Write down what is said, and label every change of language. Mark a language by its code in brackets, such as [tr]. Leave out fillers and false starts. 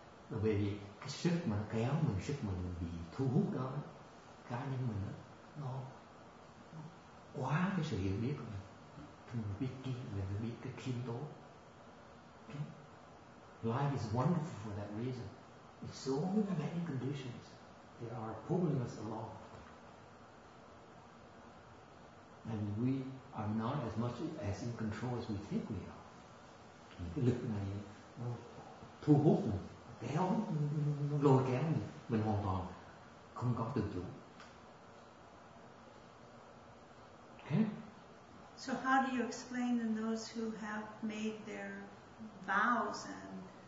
[vi] Bởi vì cái sức mà kéo mình, sức mình bị thu hút đó, cá nhân mình đó, nó quá cái sự hiểu biết của mình. Mình biết kia, mình biết cái khiêm tốn. [en] Okay? Life is wonderful for that reason. In so many conditions, they are pulling us along. And we are not as much as in control as we think we are. [vi] Cái lực này nó thu hút mình, kéo, nó lôi kéo mình hoàn toàn không có tự chủ. [en] Okay? So how do you explain to those who have made their vows and